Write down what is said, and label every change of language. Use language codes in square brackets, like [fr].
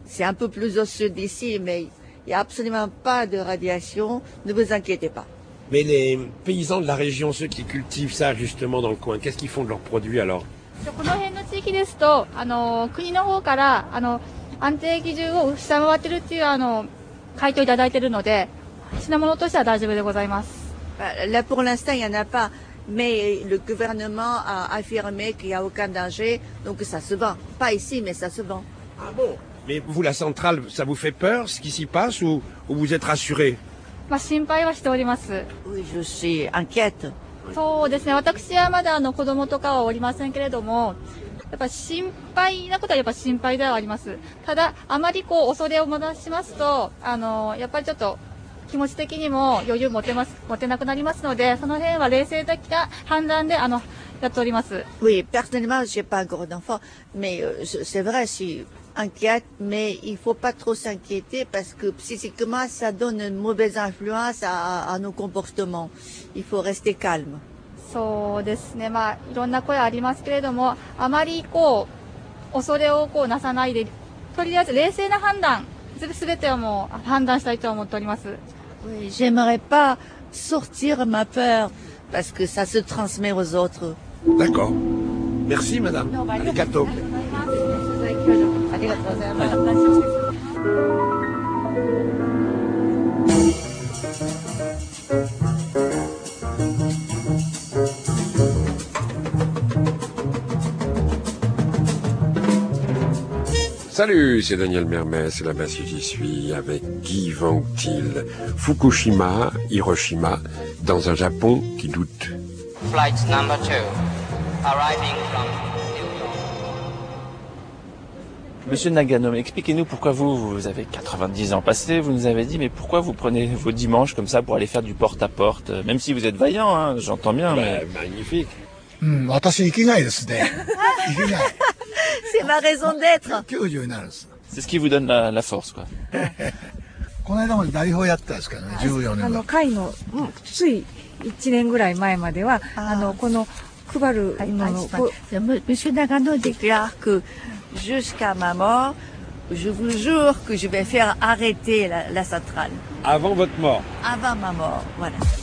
[fr] C'est un peu plus au sud d'ici, mais il n'y a absolument pas de radiation. Ne vous inquiétez pas. Mais les paysans de la région, ceux qui cultivent ça justement dans le coin, qu'est-ce qu'ils font de leurs produits alors ? [ja] この辺の地域ですと、あの国の方からあの安定基準を下回ってるっていうあの回答いただいてるので、品物としては大丈夫でございます。 [fr] Là pour l'instant, il n'y en a pas, mais le gouvernement a affirmé qu'il n'y a aucun danger, donc ça se vend. Pas ici, mais ça se vend. Ah bon ? Mais vous, la centrale, ça vous fait peur ce qui s'y passe ou vous êtes rassuré ? [ja] まあ心配はしております。 [fr] Oui, je suis inquiète. [ja] そうですね。私はまだあの子供とかはおりませんけれども、やっぱ心配なことはやっぱ心配ではあります。ただ、あまりこう恐れを持たしますと、やっぱりちょっと気持ち的にも余裕持てなくなりますので、その辺は冷静的な判断で、やっております。 [fr] Oui, personnellement, j'ai pas encore d'enfant, mais c'est vrai, je suis inquiète, mais il faut pas trop s'inquiéter parce que psychiquement, ça donne une mauvaise influence à nos comportements. Il faut rester calme. [ja] そうですね。まあ、いろんな声ありますけれども、あまりこう、恐れをこうなさないで、とりあえず冷静な判断、すべてをもう判断したいと思っております。 [fr] Oui, j'aimerais pas sortir ma peur. Parce que ça se transmet aux autres. D'accord. Merci, madame. Arigato. Salut, c'est Daniel Mermès, la base où j'y suis, avec Guy Van Uctil. Fukushima, Hiroshima, dans un Japon qui doute. [en] Flight number 2, arriving from New York. [fr] Monsieur Naganome, expliquez-nous pourquoi vous avez 90 ans passés, vous nous avez dit, mais pourquoi vous prenez vos dimanches comme ça pour aller faire du porte-à-porte, même si vous êtes vaillant, hein, j'entends bien. Mais... Bah, magnifique. C'est ma raison d'être. C'est ce qui vous donne la force, quoi. [ja] この間も代表やってたんですけどね、14年は。あの、会の、つい1年ぐらい前までは、あの、この、配る、あの、 [fr] Monsieur Nagano déclare que, jusqu'à ma mort, je vous jure que je vais faire arrêter la centrale. Avant votre mort? Avant ma mort, voilà.